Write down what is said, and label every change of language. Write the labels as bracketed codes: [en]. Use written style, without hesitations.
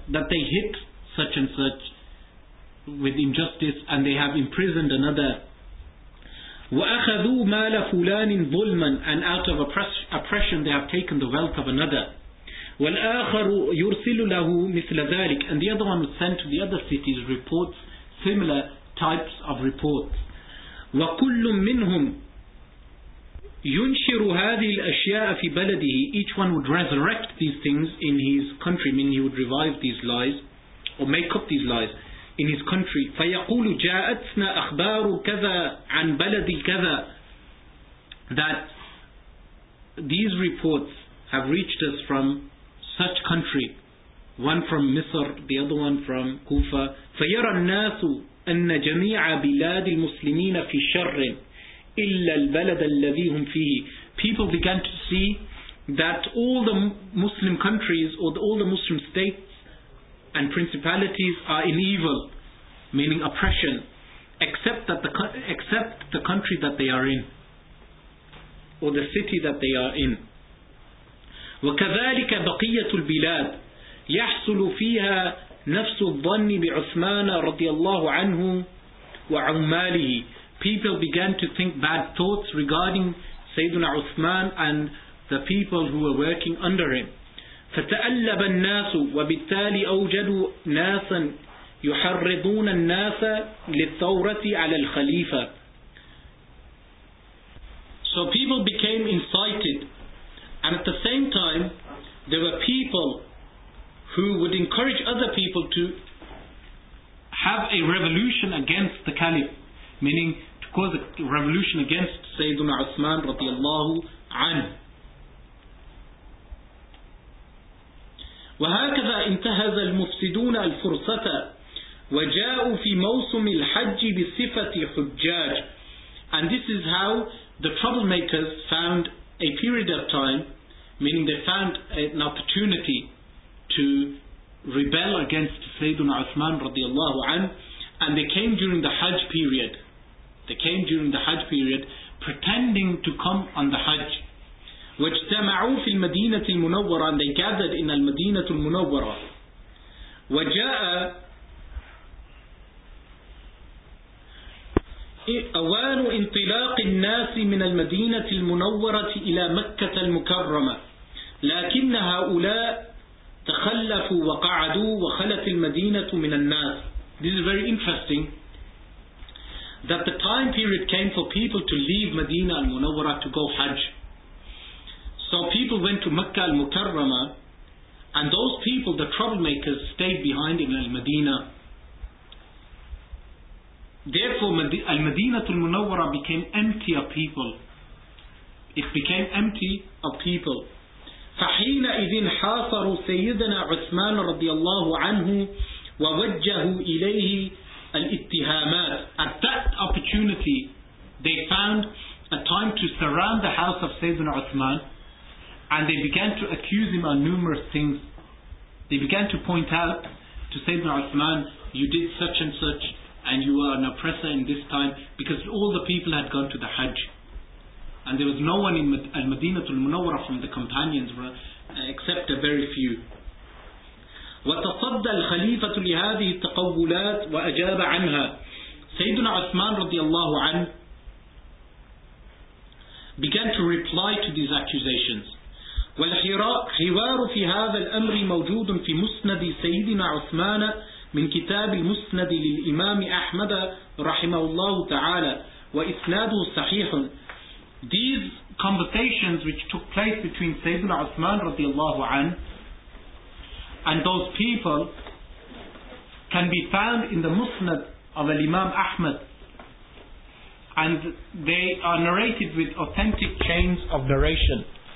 [en] That they hit such and such with injustice and they have imprisoned another. [ar] وَأَخَذُوا مَالَ فُلَانٍ ظُلْمًا. [en] And out of oppression they have taken the wealth of another. [ar] والآخر يرسل له مثل ذلك. [en] And the other one was sent to the other cities reports, similar types of reports. [ar] وكل منهم ينشر هذه الأشياء في بلده. [en] Each one would resurrect these things in his country, meaning he would revive these lies or make up these lies in his country. [ar] فيقول جاءتنا أخبار كذا عن بلد كذا. [en] That these reports have reached us from such country, one from Misr, the other one from Kufa. [ar] فَيَرَى النَّاسُ أَنَّ جَمِيعَ بِلَادِ الْمُسْلِمِينَ فِي شَرٍ إِلَّا الْبَلَدَ الَّذِي هُمْ فِيهِ. [en] People began to see that all the Muslim countries or all the Muslim states and principalities are in evil, meaning oppression, except the country that they are in or the city that they are in. [ar] وكذلك بقية البلاد يحصل فيها نفس الظن بعثمان رضي الله عنه وعماله. [en] People began to think bad thoughts regarding Sayyidina Uthman and the people who were working under him. [ar] فتألب الناس وبالتالي أوجدوا ناسا يحرضون الناس للثورة على الخليفة. [en] So people became incited, and at the same time there were people who would encourage other people to have a revolution against the caliph, meaning to cause a revolution against Sayyidina Uthman [ar] radiallahu anhu. وهكذا انتهز المفسدون الفرصة وجاءوا في موسم الحج بصفة حجاج. [en] And this is how the troublemakers found a period of time, meaning they found an opportunity to rebel against Sayyidina Uthman [ar] radiallahu anhu, [en] and they came during the Hajj period. They came during the Hajj period pretending to come on the Hajj. [ar] واجتمعوا في المدينة المنورة, [en] and they gathered in [ar] المدينة المنورة. وجاء أوان انطلاق الناس من المدينة المنورة إلى مكة المكرمة, لكن هؤلاء تخلفوا وقعدوا وخلت المدينة من الناس. [en] This is very interesting that the time period came for people to leave Medina al-Munawwara to go Hajj. So people went to Mecca al-Mukarrama, and those people, the troublemakers, stayed behind in al-Medina. Therefore al-Medina al-Munawwara became empty of people. It became empty of people. [ar] فحينئذٍ حاصروا سيدنا عثمان رضي الله عنه ووجهوا إليه الاتهامات. [en] At that opportunity, they found a time to surround the house of Sayyidina Uthman, and they began to accuse him on numerous things. They began to point out to Sayyidina Uthman, you did such and such, and you are an oppressor in this time, because all the people had gone to the Hajj. And there was no one in Al-Madinatul Munawwara from the companions except a very few. [ar] وتصدى الخليفة لهذه التقولات وأجاب عنها. [en] سيدنا عثمان [ar] رضي الله عنه [en] began to reply to these accusations. [ar] والحوار في هذا الأمر موجود في مسند سيدنا عثمان من كتاب المسند للإمام أحمد رحمه الله تعالى وإسناده صحيح. [en] These conversations which took place between Sayyidina Uthman [ar] radiallahu an [en] and those people can be found in the Musnad of Imam Ahmad, and they are narrated with authentic chains of narration.